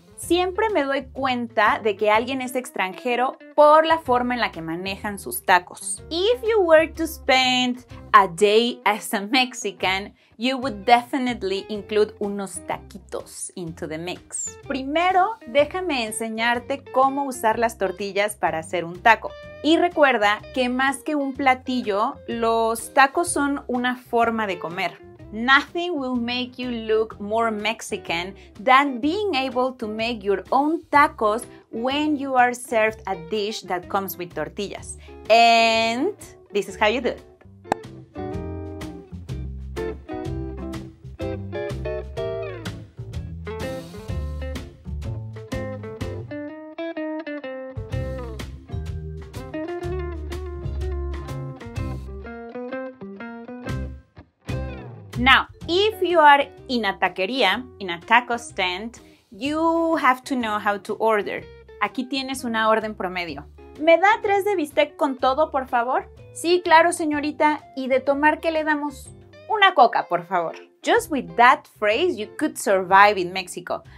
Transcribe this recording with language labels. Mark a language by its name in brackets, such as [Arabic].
[Spanish] Siempre me doy cuenta de que alguien es extranjero por la forma en la que manejan sus tacos. [English] If you were to spend a day as a Mexican, you would definitely include [Spanish] unos taquitos [English] into the mix. [Spanish] Primero, déjame enseñarte cómo usar las tortillas para hacer un taco. Y recuerda que más que un platillo, los tacos son una forma de comer. [English] Nothing will make you look more Mexican than being able to make your own tacos when you are served a dish that comes with tortillas. And this is how you do it. Now, if you are in a taquería, in a taco stand, you have to know how to order. [Spanish] Aquí tienes una orden promedio. ¿Me da 3 de bistec con todo, por favor? Sí, claro, señorita. ¿Y de tomar qué le damos? Una coca, por favor. [English] Just with that phrase, you could survive in Mexico.